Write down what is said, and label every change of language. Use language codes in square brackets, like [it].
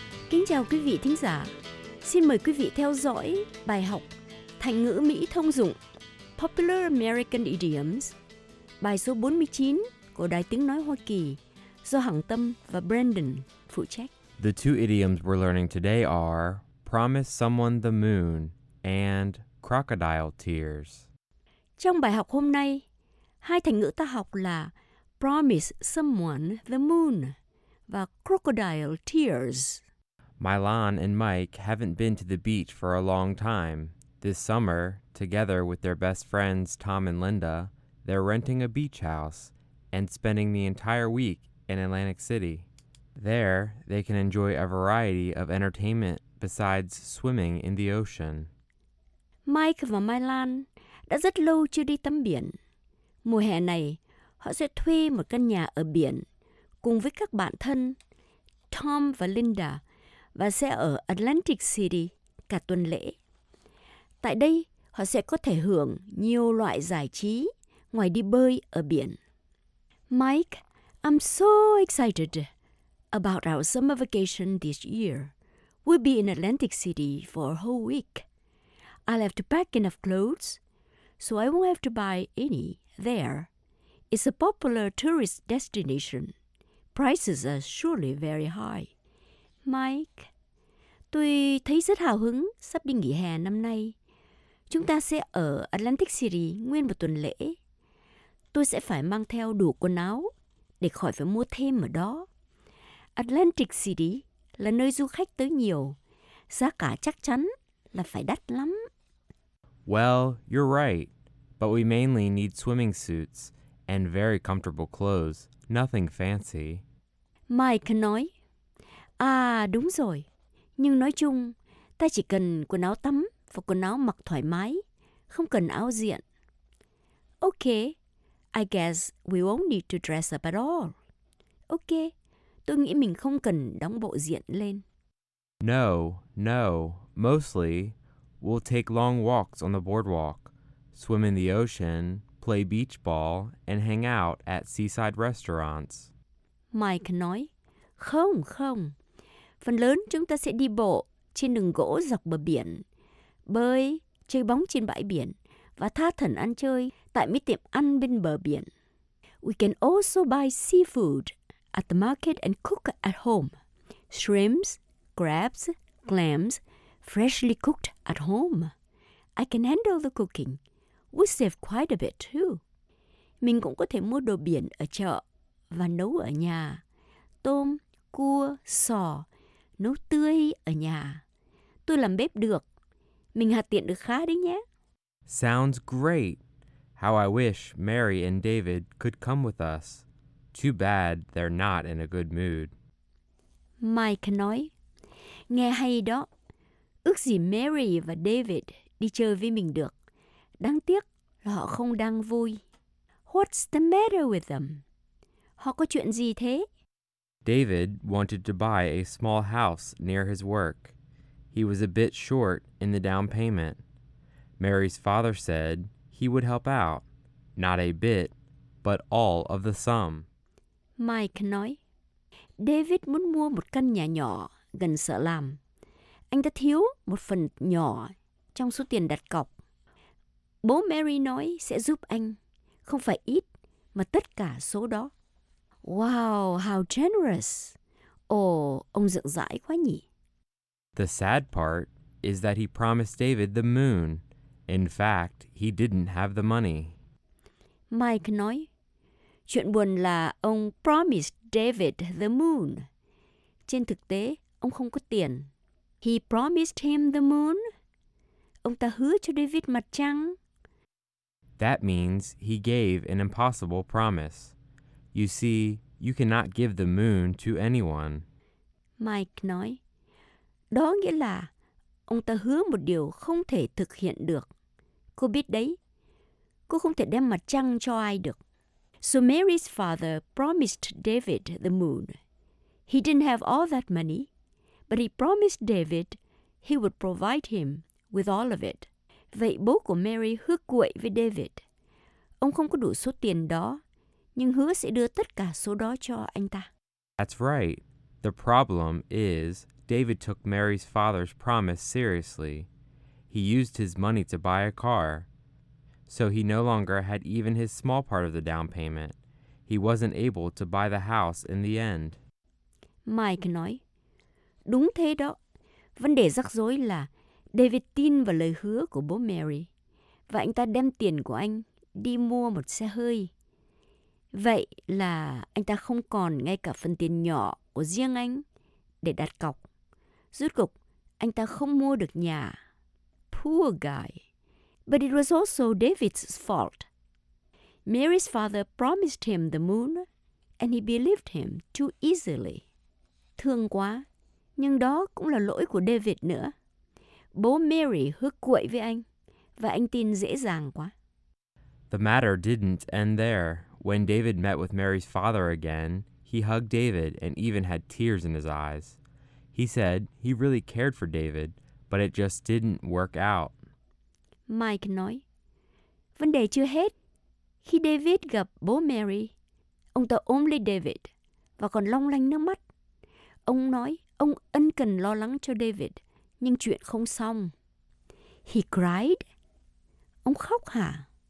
[vi] Kính chào quý vị thính giả. Xin mời quý vị theo dõi bài học thành ngữ Mỹ thông dụng Popular American Idioms, bài số 49 của Đài Tiếng Nói Hoa Kỳ. Do Hằng Tâm và Brandon phụ trách. [en] The two idioms we're learning today are promise someone the moon and crocodile tears. [vi] Trong bài học hôm nay, hai thành ngữ ta học là [en] promise someone the moon [vi] và [en] crocodile tears. Milan and Mike haven't been to the beach for a long time. This summer, together with their best friends Tom and Linda, they're renting a beach house and spending the entire week in Atlantic City. There, they can enjoy a variety of entertainment besides swimming in the ocean. [vi] Mike và Milan đã rất lâu chưa đi tắm biển. Mùa hè này, họ sẽ thuê một căn nhà ở biển cùng với các bạn thân Tom và Linda và sẽ ở Atlantic City cả tuần lễ. Tại đây, họ sẽ có thể hưởng nhiều loại giải trí ngoài đi bơi ở biển. [en] Mike, I'm so excited about our summer vacation this year. We'll be in Atlantic City for a whole week. I'll have to pack enough clothes, so I won't have to buy any there. It's a popular tourist destination. Prices are surely very high. Mike. [vi] Tôi thấy rất hào hứng sắp đi nghỉ hè năm nay. Chúng ta sẽ ở Atlantic City nguyên một tuần lễ. Tôi sẽ phải mang theo đủ quần áo để khỏi phải mua thêm ở đó. Atlantic City là nơi du khách tới nhiều. Giá cả chắc chắn là phải đắt lắm. [en] Well, you're right. But we mainly need swimming suits and very comfortable clothes. Nothing fancy. [vi] Mike nói, à đúng rồi. Nhưng nói chung, ta chỉ cần quần áo tắm và quần áo mặc thoải mái, không cần áo diện. [en] Okay, I guess we won't need to dress up at all. [vi] Okay, tôi nghĩ mình không cần đóng bộ diện lên. [en] No, no, mostly we'll take long walks on the boardwalk, swim in the ocean, play beach ball, and hang out at seaside restaurants. [vi] Mike nói, không, không. Phần lớn chúng ta sẽ đi bộ trên đường gỗ dọc bờ biển, bơi, chơi bóng trên bãi biển và tha thẩn ăn chơi tại mấy tiệm ăn bên bờ biển. [en] We can also buy seafood at the market and cook at home. Shrimps, crabs, clams, freshly cooked at home. I can handle the cooking. We save quite a bit too. [vi] Mình cũng có thể mua đồ biển ở chợ và nấu ở nhà. Tôm, cua, sò, nấu tươi ở nhà. Tôi làm bếp được. Mình hạt tiện được khá đấy nhé. [en] Sounds great. How I wish Mary and David could come with us. Too bad they're not in a good mood. [vi] Mike nói, nghe hay đó. Ước gì Mary và David đi chơi với mình được. Đáng tiếc là họ không đang vui. [en] What's the matter with them? [vi] Họ có chuyện gì thế? [en] David wanted to buy a small house near his work. He was a bit short in the down payment. Mary's father said he would help out. Not a bit, but all of the sum. [vi] Mike nói, David muốn mua một căn nhà nhỏ gần sở làm. Anh ta thiếu một phần nhỏ trong số tiền đặt cọc. Bố Mary nói sẽ giúp anh, không phải ít, mà tất cả số đó. [en] Wow, how generous. [vi] Oh, ông rộng rãi quá nhỉ. [en] The sad part is that he promised David the moon. In fact, he didn't have the money. [vi] Mike nói, chuyện buồn là ông [en] promised David the moon. [vi] Trên thực tế, ông không có tiền. [en] He promised him the moon. [vi] Ông ta hứa cho David mặt trăng. [en] That means he gave an impossible promise. You see, you cannot give the moon to anyone. [vi] Mike nói, đó nghĩa là ông ta hứa một điều không thể thực hiện được. Cô biết đấy, cô không thể đem mặt trăng cho ai được. [en] So Mary's father promised David the moon. He didn't have all that money, but he promised David he would provide him with all of it. [vi] Vậy bố của Mary hứa quậy với David. Ông không có đủ số tiền đó, nhưng hứa sẽ đưa tất cả số đó cho anh ta. [en] That's right. The problem is David took Mary's father's promise seriously. He used his money to buy a car. So he no longer had even his small part of the down payment. He wasn't able to buy the house in the end. [vi] Mike nói, đúng thế đó. Vấn đề rắc rối là David tin vào lời hứa của bố Mary và anh ta đem tiền của anh đi mua một xe hơi. Vậy là anh ta không còn ngay cả phần tiền nhỏ của riêng anh để đặt cọc. Rốt cục, anh ta không mua được nhà. [en] Poor guy. But it was also David's fault. Mary's father promised him the moon and he believed him too easily. [vi] Thương quá, nhưng đó cũng là lỗi của David nữa. Bố Mary hứa quậy với anh và anh tin dễ dàng quá. [en] The matter didn't end there. When David met with Mary's father again, he hugged David and even had tears in his eyes. He said he really cared for David, but it just didn't work out. [vi] Mike nói, vấn đề chưa hết. Khi David gặp bố Mary, ông ta ôm lấy David và còn long lanh nước mắt. Ông nói ông ân cần lo lắng cho David, nhưng chuyện không xong. [en] He cried. [vi] Ông khóc hả?